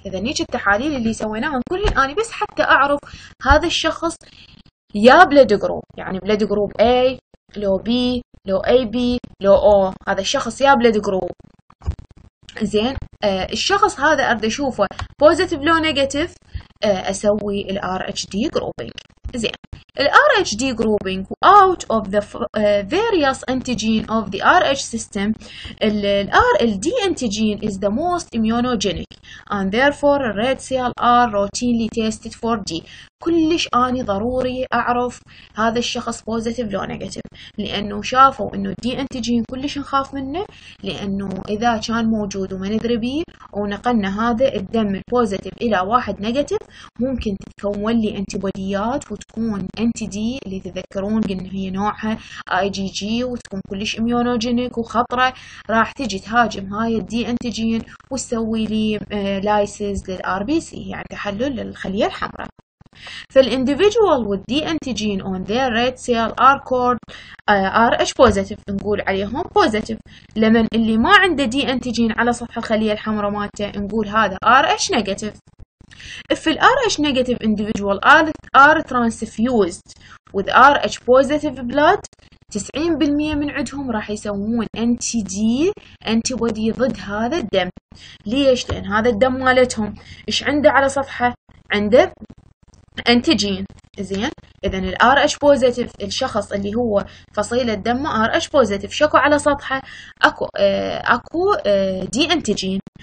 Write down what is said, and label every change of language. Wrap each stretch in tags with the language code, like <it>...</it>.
<ar>اذا نيجي التحاليل اللي سويناها كلهم اني بس حتى اعرف هذا الشخص يا بلد جروب، يعني بلد جروب اي لو بي لو اي بي لو او، هذا الشخص يا بلد جروب. زين الشخص هذا اريد اشوفه بوزيتيف لو نيجاتيف، اسوي الار اتش دي جروبينج. زين</ar> <en>RHD grouping out of the various antigen of the RH system, RLD antigen is the most immunogenic and therefore red cell are routinely tested for D.</en> <ar>كلش اني ضروري اعرف هذا الشخص positive لو negative، لانه شافوا انه D antigen كلش نخاف منه، لانه اذا كان موجود وما ندري به ونقلنا هذا الدم positive الى واحد negative ممكن تتكون لي انتيبوديات وتكون انتي دي اللي تذكرون قلنا هي نوعها اي جي جي، وتكون كلش اميونوجينيك وخطره، راح تجي تهاجم هاي الدي انتيجين وتسوي لي لايسيز للار بي سي، يعني تحلل للخليه الحمراء.</ar> <en>فالانديفيدوال والدي antigen on their red cell are called R H positive,</en> <ar>نقول عليهم بوزيتيف. لمن اللي ما عنده دي انتيجين على صفحه الخليه الحمراء مالته نقول هذا ار اتش نيجاتيف.</ar> <en>If the RH negative individual are transfused with RH positive blood, 90%</en> <ar>من عندهم راح يسوون</ar> <en>NTD antibody</en> <ar>ضد هذا الدم. ليش؟ لأن هذا الدم مالتهم إيش عنده على صفحة؟ عنده antigen. زين إذا ال RH positive الشخص اللي هو فصيلة دم RH positive شكو على سطحه أكو دي أنتيجين.</ar>